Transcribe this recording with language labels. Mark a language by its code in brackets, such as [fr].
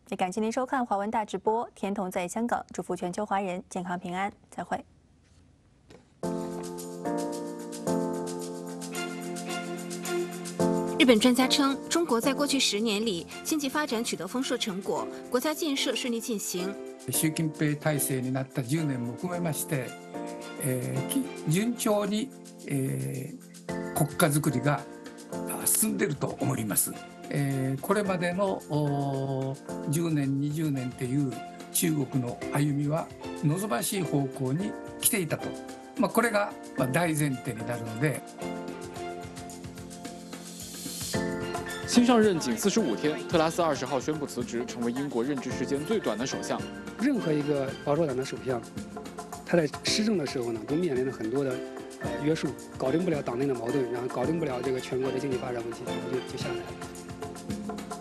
[zh] 也感谢您收看华文大直播，田童在香港，祝福全球华人健康平安，再会。日本专家称，中国在过去10年里经济发展取得丰硕成果，国家建设顺利进行。 [ja] 習近平体制になった10年も含めまして、順調に、国家づくりが進んでいると思います。これまでの10年、20年という中国の歩みは望ましい方向に来ていたと。まあ、これが大前提になるので。 [zh] 新上任仅45天，特拉斯20号宣布辞职，成为英国任职时间最短的首相。任何一个保守党的首相，他在施政的时候呢，都面临着很多的约束，搞定不了党内的矛盾，然后搞定不了这个全国的经济发展问题，就下来了。